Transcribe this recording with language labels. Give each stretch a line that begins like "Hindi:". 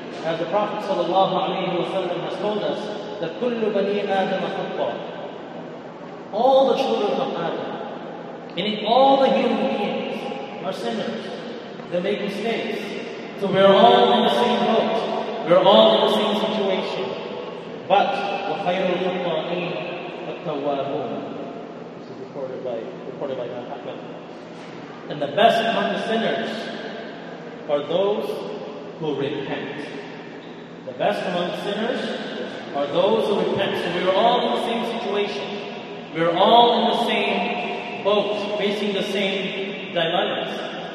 English: As the Prophet ﷺ has told us, that
Arabic: كُلُّ بَنِي آدَمَ خَطَّى.
English: All the children of Adam, meaning all the human beings, are sinners. They make mistakes. So we're all in the same boat. We're all in the same situation.
Arabic: But وَخَيْرُ الْخَطَّائِينَ التَّوَّابُونَ.
English: This is reported by Imam Ahmad. And the best among the sinners are those who repent. The best among the sinners are those who repent. So we're all in the same situation. We're all in the same boat, facing the same dilemmas.